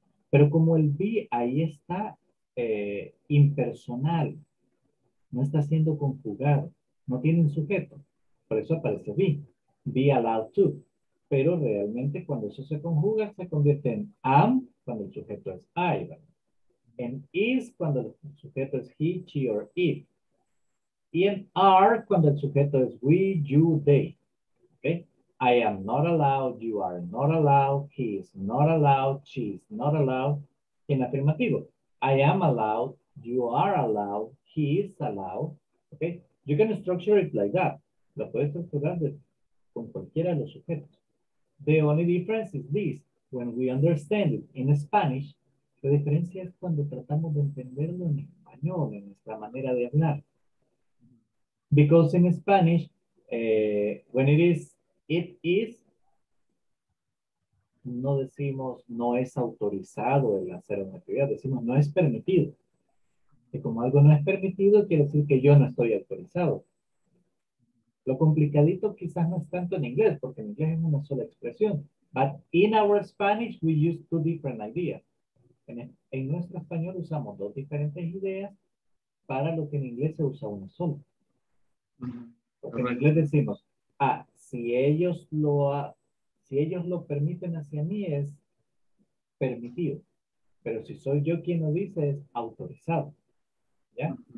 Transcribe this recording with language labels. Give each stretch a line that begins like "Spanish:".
Spanish: Pero como el be ahí está impersonal, no está siendo conjugado, no tiene un sujeto. Por eso aparece be.
English: Be allowed to.
Spanish: Pero realmente cuando eso se conjuga, se convierte en am, cuando el sujeto es I, ¿verdad? En is, cuando el sujeto es he, she, or it. Y en are, cuando el sujeto es we, you, they. ¿Okay?
English: I am not allowed, you are not allowed, he is not allowed, she is not allowed.
Spanish: en afirmativo.
English: I am allowed, you are allowed, he is allowed. Okay? You can structure it like that.
Spanish: Lo puedes estructurar con cualquiera de los sujetos.
English: The only difference is this. When we understand it in Spanish,
Spanish: la diferencia es cuando tratamos de entenderlo en español, en nuestra manera de hablar.
English: Because in Spanish, when it is,
Spanish: no decimos no es autorizado el hacer una actividad, decimos no es permitido. Y como algo no es permitido, quiere decir que yo no estoy autorizado. Lo complicadito quizás no es tanto en inglés, porque en inglés es una sola expresión.
English: But in our Spanish, we use two different ideas.
Spanish: En nuestro español usamos dos diferentes ideas para lo que en inglés se usa una sola. Porque en inglés decimos, si ellos lo permiten hacia mí, es permitido. Pero si soy yo quien lo dice, es autorizado. ¿Ya?